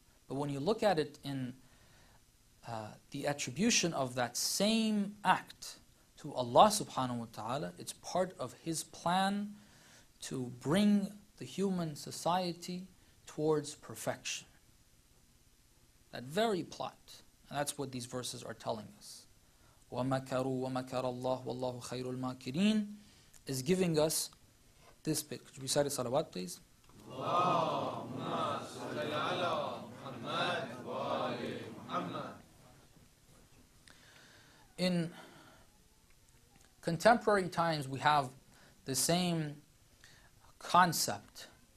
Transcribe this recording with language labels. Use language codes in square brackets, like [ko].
[en] But when you look at it in the attribution of that same act to Allah subhanahu wa ta'ala, it's part of His plan to bring the human society towards perfection. That very plot. And that's what these verses are telling us. [ar] وَمَكَرُوا وَمَكَرَ اللَّهُ وَاللَّهُ خَيْرُ الْمَاكِرِينَ [en] is giving us this bit. Could you recite the salawat, please? [ar] Allahumma salli ala Muhammad wa ali Muhammad. [en] In contemporary times, we have the same concept.